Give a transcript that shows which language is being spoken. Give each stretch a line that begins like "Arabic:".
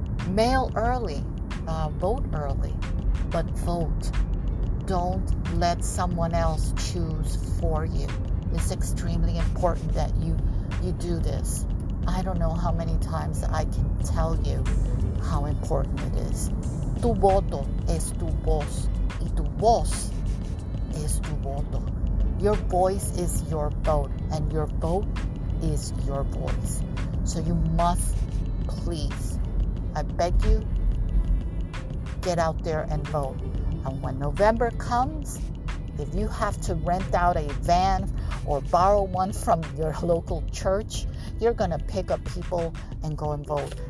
English: Mail early, vote early, but vote. Don't let someone else choose for you. It's extremely important that you do this. I don't know how many times I can tell you how important it is.
Spanish: Tu voto es tu voz, y tu voz es tu voto.
English: Your voice is your vote, and your vote is your voice. So you must, please, I beg you, get out there and vote. And when November comes, if you have to rent out a van or borrow one from your local church, you're going to pick up people and go and vote.